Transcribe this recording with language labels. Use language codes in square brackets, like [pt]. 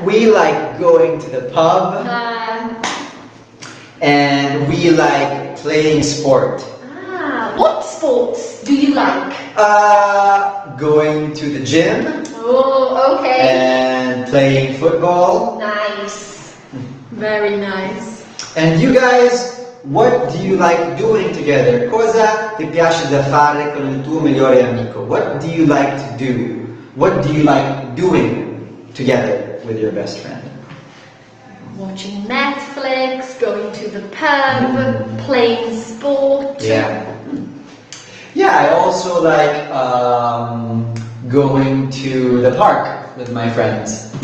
[en] We like going to the pub. And we like playing sport. What sports do you like? Going to the gym. Oh, okay. And playing football. Nice. Very nice. And you guys, what do you like doing together? [it] Cosa ti piace da fare con il tuo migliore amico? [en] What do you like to do? What do you like doing together with your best friend? Watching Netflix, going to the pub, playing sport. Yeah, I also like going to the park with my friends.